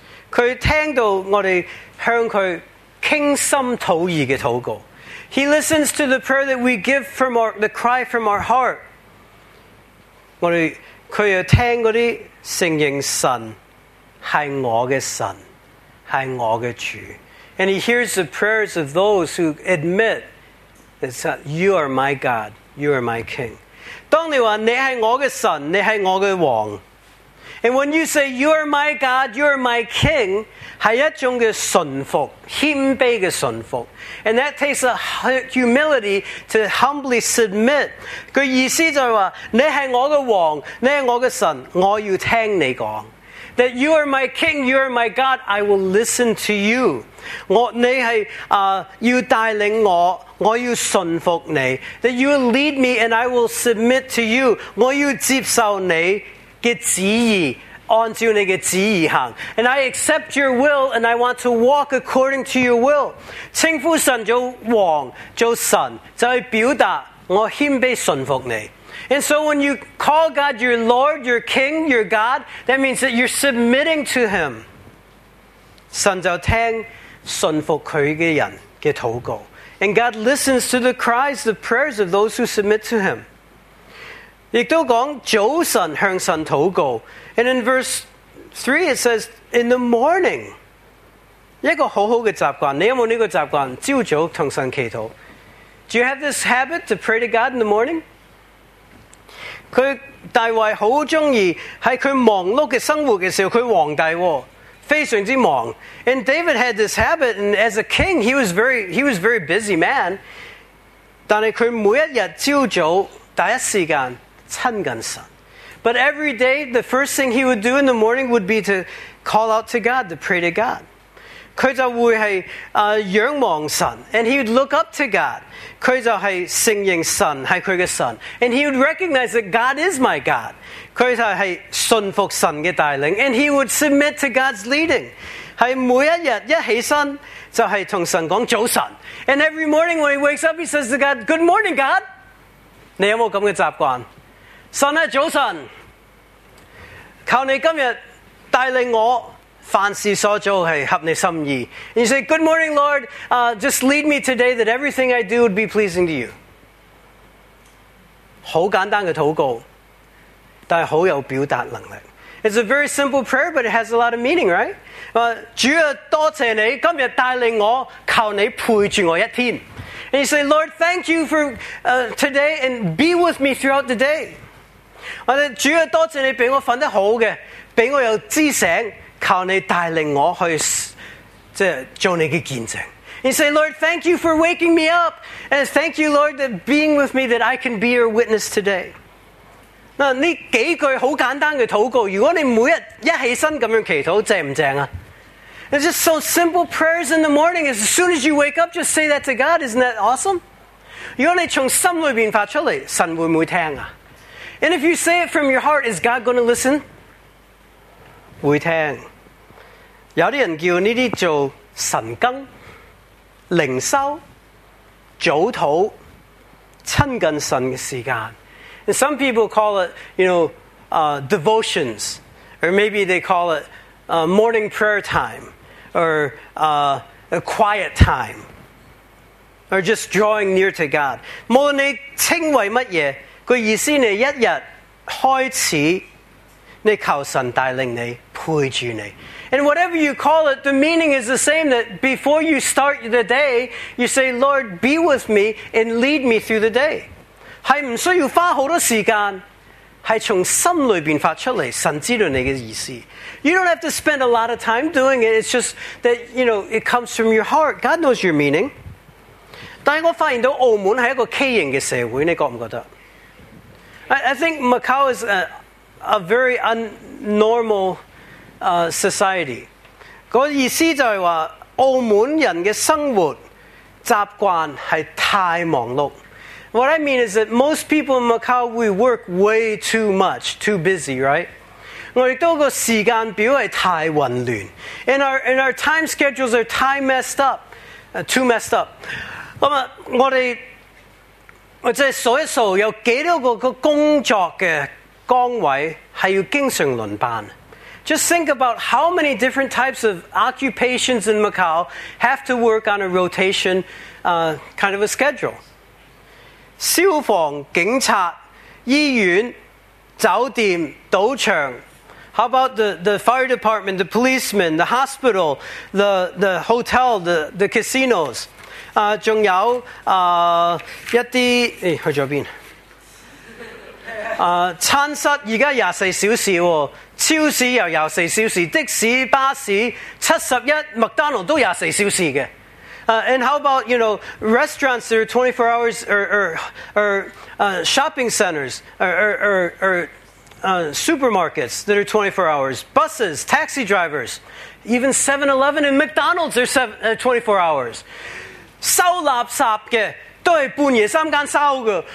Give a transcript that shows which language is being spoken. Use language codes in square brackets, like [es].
[yue] 佢听到我哋向佢倾心吐意嘅祷告。 [en] He listens to the prayer that we give from our, the cry from our heart. [yue] 我哋佢又听嗰啲承认神系我嘅神，系我嘅主。 [en] And he hears the prayers of those who admit that you are my God, you are my King. [yue] 当你话你系我嘅神，你系我嘅王。 [en] And when you say you are my God, you are my King, [yue] 是一种的顺服，谦卑的顺服。 [en] And that takes a humility to humbly submit. [yue] 他意思就是说，你是我的王，你是我的神，我要听你讲。 [en] That you are my King, you are my God, I will listen to you. [yue] 我你是要带领我，我要顺服你。 [en] That you will lead me and I will submit to you. [yue] 我要接受你嘅旨意，按照你嘅旨意行。 [en] And I accept your will, and I want to walk according to your will. [yue] 称呼神做王，做神，就系表达我谦卑顺服你。 [en] And so when you call God your Lord, your King, your God, that means that you're submitting to Him. [yue] 神就听顺服佢嘅人嘅祷告。 [en] And God listens to the cries, the prayers of those who submit to Him. [yue] 亦都讲早晨向神祷告。 [en] And in verse 3 it says, in the morning. [yue] 一个好好的习惯，你有没有这个习惯，朝早和神祈祷。 [en] Do you have this habit to pray to God in the morning? [yue] 他大卫很喜欢在他忙碌的生活的时候，他皇帝非常之忙。 [en] And David had this habit, and as a king, he was very busy man. [yue] 但是他每一天朝早第一时间亲近神。 [en] But every day, the first thing he would do in the morning would be to call out to God, to pray to God. [yue] 他就会是仰望神， [en] and he would look up to God. [yue] 他就是承认神是他的神， [en] and he would recognize that God is my God. [yue] 他就是顺服神的带领， [en] and he would submit to God's leading. [yue] 是每一天一起身就是跟神讲早晨。 [en] And every morning when he wakes up, he says to God, Good morning, God. [yue] 你有没有这样的习惯？神啊，早晨，求你今日带领我凡事所做是合你心意。 [en] And you say, Good morning, Lord. Just lead me today that everything I do would be pleasing to you. [yue] 好简单的祷告，但是很有表达能力。 [en] It's a very simple prayer, but it has a lot of meaning, right? [yue] 主啊，多谢你今日带领我，求你陪住我一天。 [en] And you say, Lord, thank you for today and be with me throughout the day. [yue] 主啊，多谢你俾我瞓得好嘅，俾我有知醒，靠你带领我去，即系做你嘅见证。 [en] You say, Lord, thank you for waking me up, and thank you, Lord, that being with me, that I can be your witness today. [yue] 嗱，呢几句好简单嘅祷告，如果你每日一起身咁样祈祷，正唔正啊？ [en] It's just so simple prayers in the morning. As soon as you wake up, just say that to God. Isn't that awesome? [yue] 如果你从心里边发出嚟，神会唔会听啊？ [en] And if you say it from your heart, is God going to listen? [yue] 会听。有些人叫这些做神更、灵修、早祷、亲近神的时间。 [en] And some people call it, you know, devotions. Or maybe they call it morning prayer time. Or a quiet time. Or just drawing near to God. [yue] 无论你称为什么，个意思你一日开始，你求神带领你陪住你。 [en] And whatever you call it, the meaning is the same, that before you start the day, you say, Lord, be with me and lead me through the day. [yue] 是不需要花好多时间，是从心里面发出来，神知道你的意思。 [en] You don't have to spend a lot of time doing it, it's just that, you know, it comes from your heart. God knows your meaning. [yue] 但是我发现到澳门是一个畸形的社会，你觉不觉得？ [en] I think Macau is a very unnormal society. [yue] 嗰意思就係話澳門人嘅生活習慣係太忙碌。 [en] What I mean is that most people in Macau, we work way too much, too busy, right? [yue] 我亦都個時間表係太混亂 [en] and our time schedules are too messed up, too messed up. [yue] 咁啊，我哋或者數一數有幾多個個工作嘅崗位係要經常輪班。 [en] Just think about how many different types of occupations in Macau have to work on a rotation, kind of a schedule. [yue] 消防、警察、醫院、酒店、賭場。 [en] How about the fire department, the policemen, the hospital, the hotel, the casinos? [yue] 仲有一啲誒去咗邊？餐室而家廿四小時喎。超市又24小時，的士、巴士、71、麥當勞都24小時嘅。 [en] And how about, you know, restaurants that are 24 hours or shopping centers or supermarkets that are 24 hours, buses, taxi drivers, even 7-Eleven and McDonald's are 24 hours. [yue] 收垃圾嘅都係半夜三更收嘅。